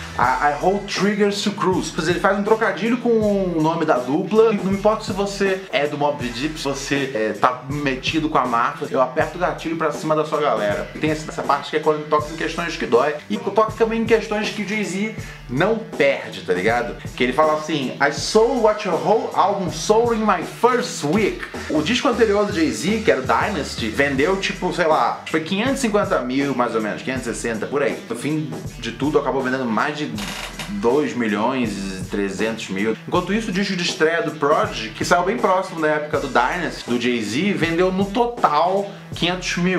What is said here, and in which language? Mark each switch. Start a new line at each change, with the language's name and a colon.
English: I hold triggers to cruise.
Portuguese: Quer dizer, ele faz um trocadilho com o nome da dupla. Não importa se você é do Mobb Deep, se você tá metido com a marca, eu aperto o gatilho pra cima da sua galera. Tem essa parte que é quando toca em questões que dói. E toca também em questões que o Jay-Z não perde, tá ligado? Que ele fala assim:
English: I sold what your whole album sold in my first week.
Portuguese: O disco anterior do Jay-Z, que era o Dynasty, vendeu tipo, sei lá, foi 550 mil mais ou menos, 560, por aí. No fim de tudo, acabou vendendo mais de 2 milhões e 300 mil. Enquanto isso, o disco de estreia do Prodigy, que saiu bem próximo da época do Dynasty, do Jay-Z, vendeu no total 500 mil.